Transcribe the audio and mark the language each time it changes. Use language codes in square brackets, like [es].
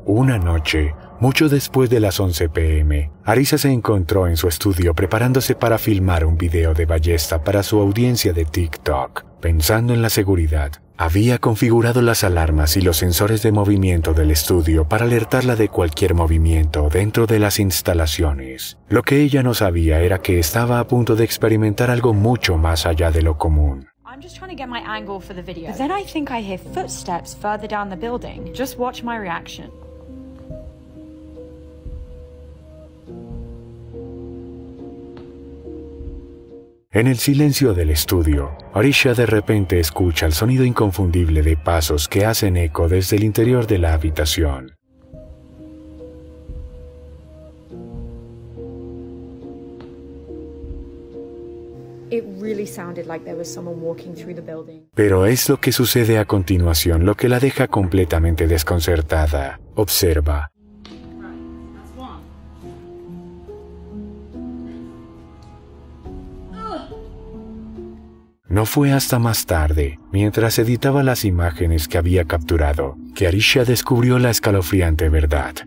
[es] Una noche, mucho después de las 11 p.m., Arisa se encontró en su estudio preparándose para filmar un video de ballesta para su audiencia de TikTok. Pensando en la seguridad, había configurado las alarmas y los sensores de movimiento del estudio para alertarla de cualquier movimiento dentro de las instalaciones. Lo que ella no sabía era que estaba a punto de experimentar algo mucho más allá de lo común. [en] I'm just trying to get my angle for the video. But then I think I hear footsteps further down the building. Just watch my reaction. [es] En el silencio del estudio, Arisha de repente escucha el sonido inconfundible de pasos que hacen eco desde el interior de la habitación. [en] It really sounded like there was someone walking through the building. [es] Pero es lo que sucede a continuación lo que la deja completamente desconcertada. Observa. No fue hasta más tarde, mientras editaba las imágenes que había capturado, que Arisha descubrió la escalofriante verdad.